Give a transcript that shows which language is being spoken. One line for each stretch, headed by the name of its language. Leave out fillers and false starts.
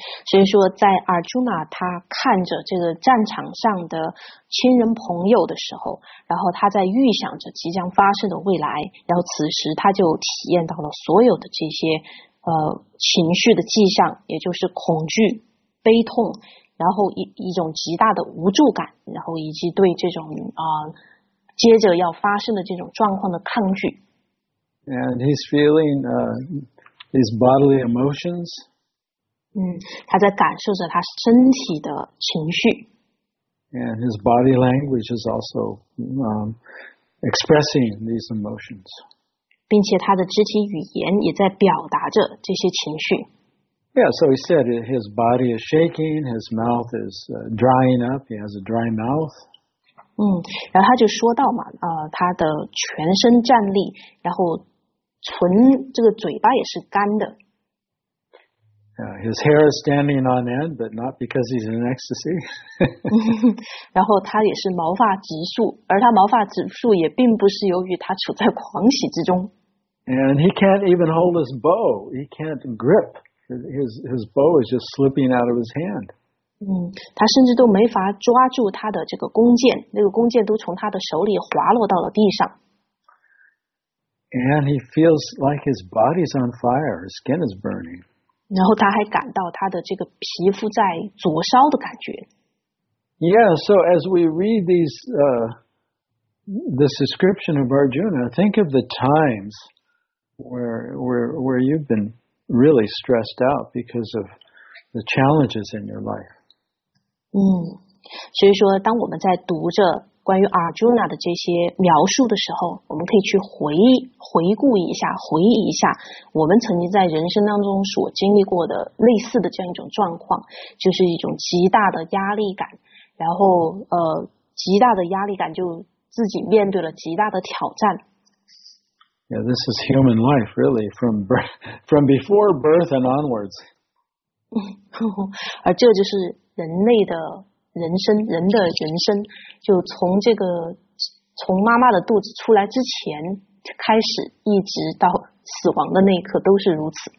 Chinese: 所以说在阿朱娜他看着这个战场上的亲人朋友的时候，然后他在预想着即将发生的未来，然后此时他就体验到了所有的这些情绪的迹象，也就是恐惧、悲痛，然后一种极大的无助感，然后以及对这种接着要发生的这种状况的抗拒。
English: And he's feeling his bodily emotions.
Chinese: 他在感受着他身体的情绪。
English: And his body language is also expressing these emotions.
Chinese: 并且他的肢体语言也在表达着这些情绪。
English: Yeah, so he said his body is shaking, his mouth is drying up, he has a dry mouth.
Chinese: 然后他就说到嘛，他的全身站立，然后这个嘴巴也是干的。
English: His hair is standing on end, but not because he's in ecstasy.
Chinese: 然后他也是毛发直竖，而他毛发直竖也并不是由于他处在狂喜之中。
English: And he can't even hold his bow, he can't grip. His bow is just slipping out of his hand.
Chinese: 他甚至都没法抓住他的这个弓箭，那个弓箭都从他的手里滑落到了地上。
English: And he feels like his body's on fire, his skin is burning.
Chinese: 然后他还感到他的这个皮肤在灼烧的感觉。
English: Yeah, so as we read these, this description of Arjuna, think of the times where you've been. Really stressed out because of the challenges in your life.
Chinese: 所以说，当我们在读着关于 Arjuna 的这些描述的时候，我们可以去回顾一下，回忆一下我们曾经在人生当中所经历过的类似的这样一种状况，就是一种极大的压力感，然后极大的压力感就自己面对了极大的挑战。
English: Yeah, this is human life, really, from before birth and onwards.
Chinese: 而这就是人类的人生，人的人生，就从这个从妈妈的肚子出来之前开始，一直到死亡的那一刻都是如此。